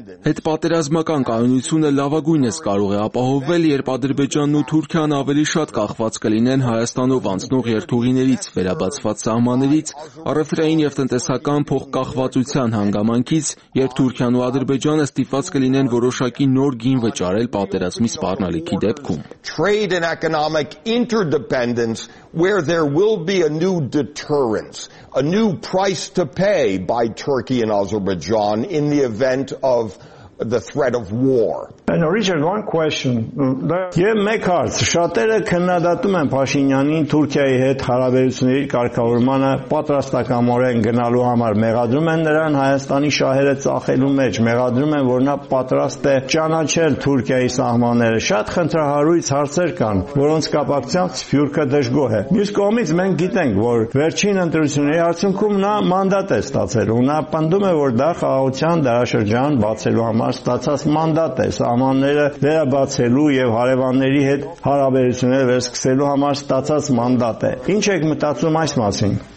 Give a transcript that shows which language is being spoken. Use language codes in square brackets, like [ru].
[hy] Այդ պատերազմական կայունությունը լավագույն է կարող է ապահովվել, երբ Ադրբեջանն ու Թուրքիան ավելի շատ կախված կլինեն Հայաստանով անցնող երթուղիներից, վերաբացված սահմաններից, առևտրային եւ տնտեսական փոխկախվածության հանգամանքից, երբ Թուրքիան ու Ադրբեջանը ստիպված կլինեն որոշակի նոր գին վճարել պատերազմի սպառնալիքի դեպքում։ [en] Trade and economic interdependence where there will be a new deterrence, a new price to pay by Turkey and Azerbaijan in the event of the threat of war. And Richard, one question. [hy] Եմ մեկ հարց, շատերը քննադատում են Փաշինյանին Թուրքիայի հետ հարաբերությունների կարգավորմանը պատրաստակամորեն գնալու համար, մեղադրում են նրան Հայաստանի շահերը ծախելու մեջ, մեղադրում են, որ նա պատրաստ է ճանաչել Թուրքիայի սահմանները։ Շատ խնդրահարույց հարցեր կան, որոնց կապակցությամբ Սփյուռքը դժգոհ է։ Մյուս կողմից մենք գիտենք, որ վերջին ընտրությունների արդյունքում նա մանդատ է ստացել, ու նա պնդում է, որ դա խաղաղության դարաշրջան բացելու համար ստացած մանդատ է, սահմանները վերաբացելու եւ հարևանների հետ հարաբերությունները վերսկսելու համար ստացած մանդատ է։ Ինչ եք մտածում այս մասին?